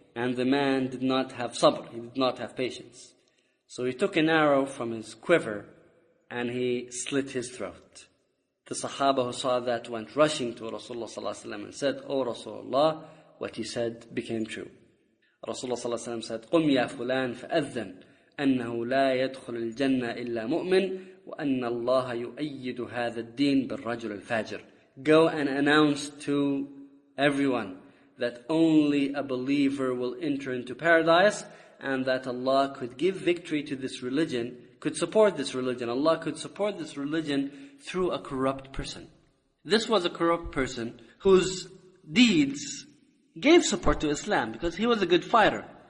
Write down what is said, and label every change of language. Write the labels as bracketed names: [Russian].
[English] And the man did not have sabr. He did not have patience. So he took an arrow from his quiver and he slit his throat. The sahaba who saw that went rushing to Rasulullah sallallahu alaihi wasallam and said, O Rasulullah, what he said became true. Rasulullah sallallahu alaihi wasallam said, [Arabic] قُمْ يَا فُلَانَ فَأَذَّنْ أَنَّهُ لَا يَدْخُلُ الْجَنَّةِ إِلَّا مُؤْمِنْ وَأَنَّ اللَّهَ يُؤَيِّدُ هَذَا الدِّينَ بِالرَّجُلِ الْفَاجِرِ. [English] Go and announce to everyone that only a believer will enter into paradise and that Allah could give victory to this religion, could support this religion. Allah could support this religion through a corrupt person. This was a corrupt person whose deeds gave support to Islam because he was a good fighter.